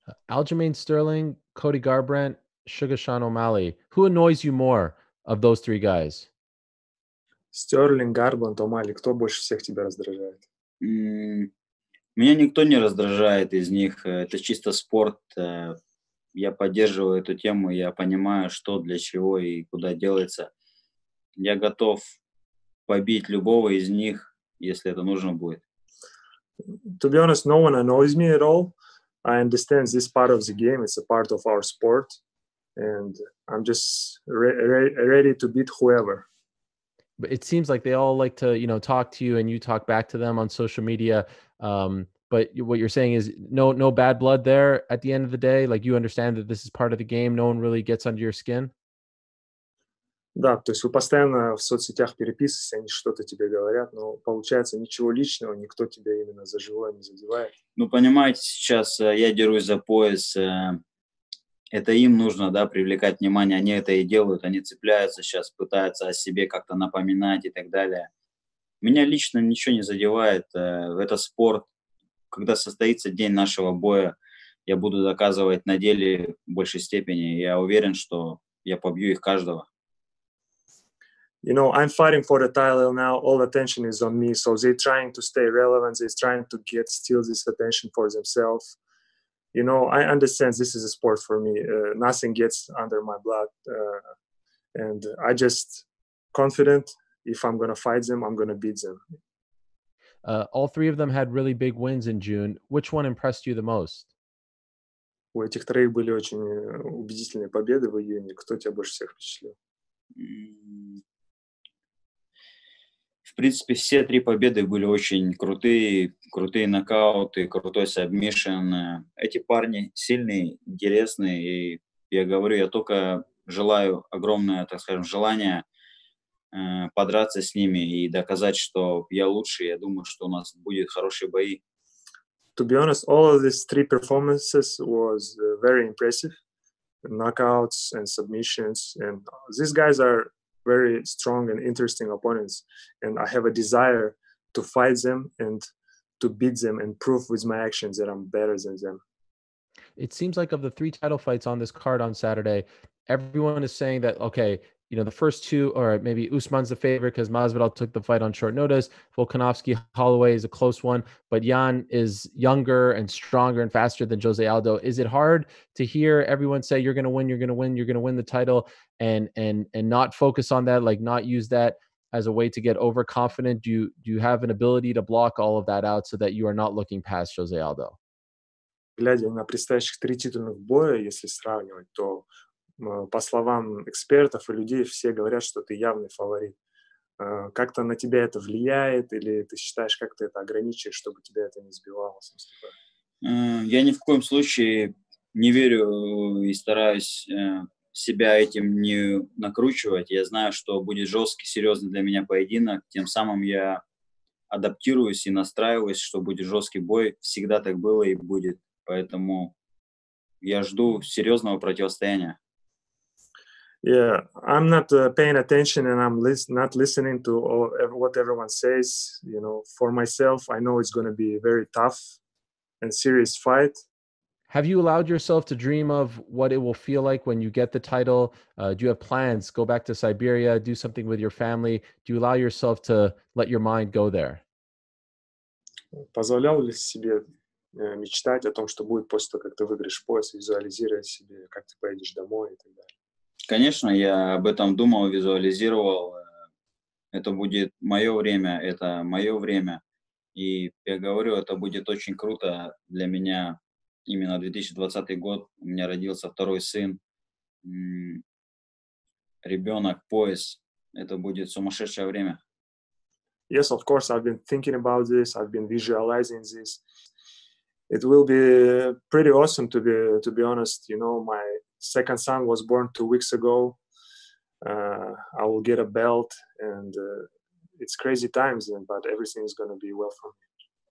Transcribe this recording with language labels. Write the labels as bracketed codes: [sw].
[en] Aljamain Sterling, Cody Garbrandt, Sugar Sean O'Malley. Who annoys you more of those three guys? Sterling, Garbrandt, O'Malley. [ru] Кто больше всех тебя раздражает? Меня никто не раздражает из них. Это чисто спорт. Я поддерживаю эту тему. Я понимаю, что для чего и куда делается. Я готов побить любого из них, если это нужно будет. [en] To be honest, no one annoys me at all. I understand this part of the game. It's a part of our sport. And I'm just ready to beat whoever. But it seems like they all like to, you know, talk to you and you talk back to them on social media. But what you're saying is no bad blood there at the end of the day. Like, you understand that this is part of the game. No one really gets under your skin. [ru] Да, то есть вы постоянно в соцсетях переписываетесь, они что-то тебе говорят, но получается ничего личного, никто тебя именно за живое не задевает. Ну, понимаете, сейчас я дерусь за пояс. Это им нужно, да, привлекать внимание. Они это и делают, они цепляются сейчас, пытаются о себе как-то напоминать и так далее. Меня лично ничего не задевает. Это спорт. Когда состоится день нашего боя, я буду доказывать на деле в большей степени. Я уверен, что я побью их каждого. [en] You know, I'm fighting for the title now. All attention is on me. So they're trying to stay relevant. They're trying to get still this attention for themselves. You know, I understand this is a sport for me. Nothing gets under my blood. And I just confident if I'm going to fight them, I'm going to beat them. All three of them had really big wins in June. Which one impressed you the most? [ru] У этих троих были очень убедительные победы в июне. Кто тебя больше всех впечатлил? В принципе, все три победы были очень крутые, крутые нокауты, крутой сабмишн. Эти парни сильные, интересные, и я говорю, я только желаю огромное, так скажем, желание подраться с ними и доказать, что я лучше. Я думаю, что у нас будет хорошие бои. [en] To be honest, all of these three performances was very impressive. Knockouts and submissions, and these guys are very strong and interesting opponents, and I have a desire to fight them and to beat them and prove with my actions that I'm better than them. It seems like of the three title fights on this card on Saturday, everyone is saying that, okay, you know, the first two, or maybe Usman's the favorite because Masvidal took the fight on short notice. Volkanovski Holloway is a close one, but Yan is younger and stronger and faster than Jose Aldo. Is it hard to hear everyone say you're going to win, you're going to win, you're going to win the title, and not focus on that, like not use that as a way to get overconfident? Do you have an ability to block all of that out so that you are not looking past Jose Aldo? [ru] Глядя на предстоящих три титульных боя, если сравнивать, то по словам экспертов и людей, все говорят, что ты явный фаворит. Как-то на тебя это влияет, или ты считаешь, как ты это ограничиваешь, чтобы тебя это не сбивало? Я ни в коем случае не верю и стараюсь себя этим не накручивать. Я знаю, что будет жесткий, серьезный для меня поединок. Тем самым я адаптируюсь и настраиваюсь, что будет жесткий бой. Всегда так было и будет. Поэтому я жду серьезного противостояния. [en] Yeah, I'm not paying attention and I'm not listening to what everyone says. You know, for myself, I know it's going to be a very tough and serious fight. Have you allowed yourself to dream of what it will feel like when you get the title? Do you have plans? Go back to Siberia, do something with your family? Do you allow yourself to let your mind go there? [ru] Позволял ли себе мечтать о том, что будет после того, как ты выиграешь пояс, визуализируя себе, как ты поедешь домой и так далее? Конечно, я об этом думал, визуализировал. Это будет мое время, это мое время. И я говорю, это будет очень круто для меня. Именно 2020 год, у меня родился второй сын, ребенок, пояс. Это будет сумасшедшее время. [en] Yes, of course, I've been thinking about this, I've been visualizing this. It will be pretty awesome, to be honest. You know, my second son was born 2 weeks ago. I will get a belt, and it's crazy times, but everything is going to be well for me.